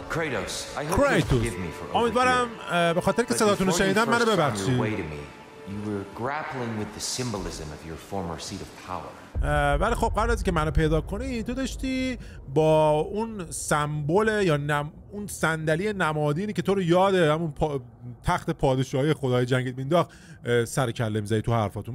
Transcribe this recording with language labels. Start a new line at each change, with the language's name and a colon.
Persian: کریتوس، امیدوارم به خاطر که صداتون رو شنیدم منو ببخشید.
English: You were grappling with the symbolism of your former seat of power.
Persian: ولی خب قبل از اینکه منو پیدا کنی تو داشتی با اون سمبل یا اون صندلی نمادینی که تو رو یاد همون تخت پادشاهی خدای جنگت مینداخت سر کله می‌زدی تو حرفاتون.